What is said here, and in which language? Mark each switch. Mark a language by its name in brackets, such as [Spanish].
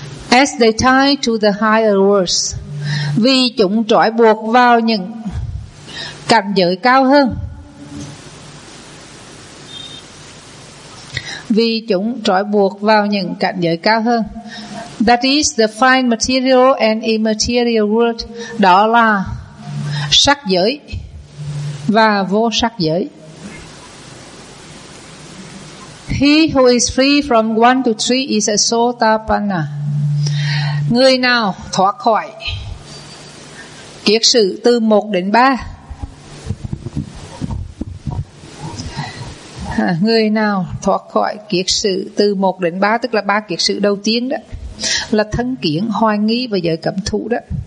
[English] As they tie to the higher worlds, [Vietnamese] vì chúng trói buộc vào những cảnh giới cao hơn. Vì chúng trói buộc vào những cảnh giới cao hơn. [English] That is the fine material and immaterial world. [Vietnamese] Đó là sắc giới và vô sắc giới. [English] He who is free from 1 to 3 is a sotapanna. [Vietnamese] Người nào thoát khỏi kiết sự từ 1 đến 3. Người nào thoát khỏi kiết sự từ 1 đến 3, tức là 3 kiết sự đầu tiên đó, là thân kiến, hoài nghi và giới cấm thủ đó.